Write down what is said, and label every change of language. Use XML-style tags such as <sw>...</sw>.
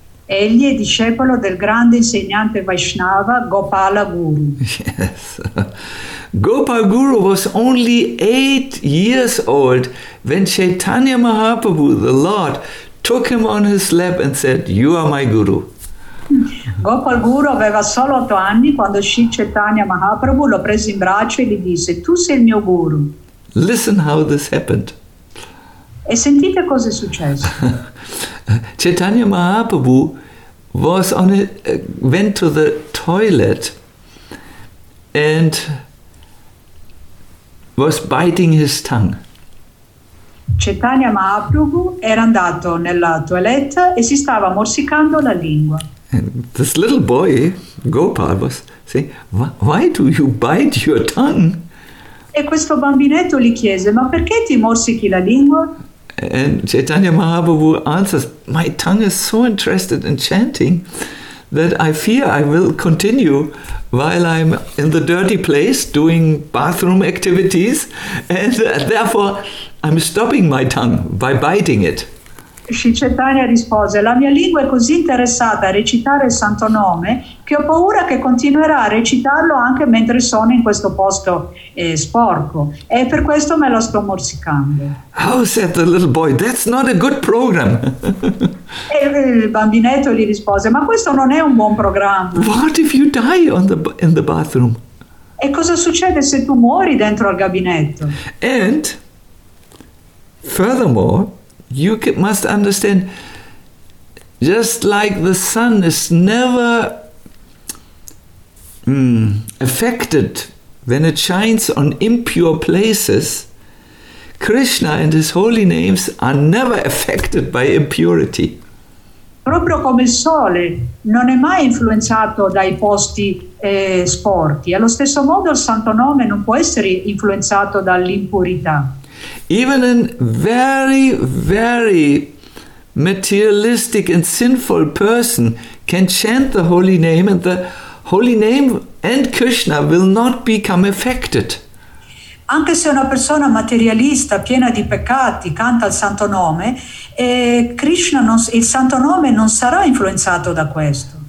<it>Egli è discepolo del grande insegnante Vaishnava Gopala Guru.</it> <en>Yes. Gopal Guru was only 8 years old when Chaitanya Mahaprabhu, the Lord, took him on his lap and said, "You are my guru."</en> <it>Gopal Guru aveva solo 8 anni quando Sri Chaitanya Mahaprabhu lo prese in braccio e gli disse: "Tu sei il mio guru."</it> <en>Listen how this happened.</en> <it>E sentite cosa è successo.</it> <en>Chaitanya Mahaprabhu was on it, went to the toilet and was biting his tongue.</en> <it>Chaitanya Mahaprabhu era andato nella toiletta e si stava morsicando la lingua.</it> <en>And this little boy, Gopal, was saying, why do you bite your tongue?</en> <it>E questo bambinetto gli chiese, ma perché ti morsichi la lingua?</it> <en>And Chaitanya Mahaprabhu answers, my tongue is so interested in chanting that I fear I will continue while I'm in the dirty place doing bathroom activities, and therefore I'm stopping my tongue by biting it.</en> <it>Sri Chaitanya rispose, la mia lingua è così interessata a recitare il santo nome che ho paura che continuerà a recitarlo anche mentre sono in questo posto sporco, e per questo me lo sto morsicando.</it> <en>Oh, said the little boy, that's not a good program.</en> <it>E il bambinetto gli rispose, ma questo non è un buon programma.</it> <en>What if you die in the bathroom?</en> <it>E cosa succede se tu muori dentro al gabinetto?</it> <en>And furthermore, you must understand, just like the sun is never affected when it shines on impure places, Krishna and his holy names are never affected by impurity.</en> <it>Proprio come il sole non è mai influenzato dai posti sporchi. Allo stesso modo il santo nome non può essere influenzato dall'impurità.</it> <en>Even a very, very materialistic and sinful person can chant the holy name, and the holy name and Krishna will not become affected.</en> <it>Anche se una persona materialista piena di peccati canta il santo nome, Krishna non, il santo nome non sarà influenzato da questo.</it>